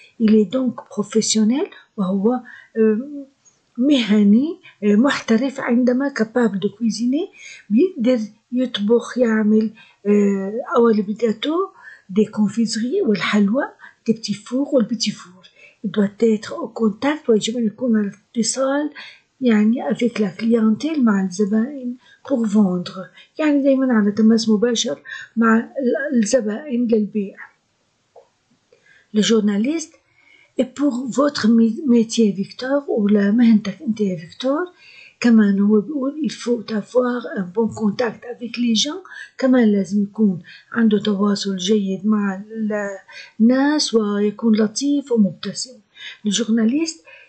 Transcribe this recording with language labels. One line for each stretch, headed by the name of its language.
French: Il est donc professionnel,
Arabic: وهو مهني, محترف عندما
French: capable de cuisiner,
Arabic: بيقدر يطبخ يعمل قوالب الجاتو,
French: des confiseries
Arabic: والحلوى,
French: des petits fours
Arabic: والبيتي فور.
French: Il doit être au contact,
Arabic: ويجب أن يكون على اتصال يعني
French: avec la clientèle
Arabic: مع الزبائن
French: pour vendre
Arabic: يعني دائما على تماس مباشر مع الزبائن للبيع.
French: Le journaliste et pour votre métier Victor ou la
Arabic: مهنتك انت يا فيكتور كمان هو بيقول
French: il faut avoir un bon contact avec les gens
Arabic: كمان لازم يكون عنده تواصل جيد مع الناس ويكون لطيف ومبتسم.
French: Le journaliste.